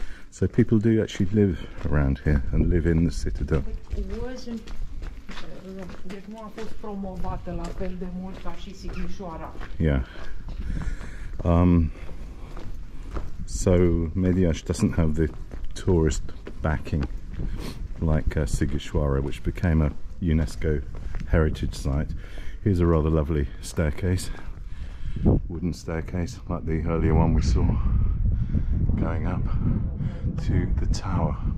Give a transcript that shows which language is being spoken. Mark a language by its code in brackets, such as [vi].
[en] So people do actually live around here and live in the citadel. It wasn't, [ro] nu a fost promovată la fel de mult ca și Sighișoara. [en] Yeah. So Mediaș doesn't have the tourist backing like Sighișoara, which became a UNESCO heritage site. Here's a rather lovely staircase, wooden staircase, like the earlier one we saw going up to the tower.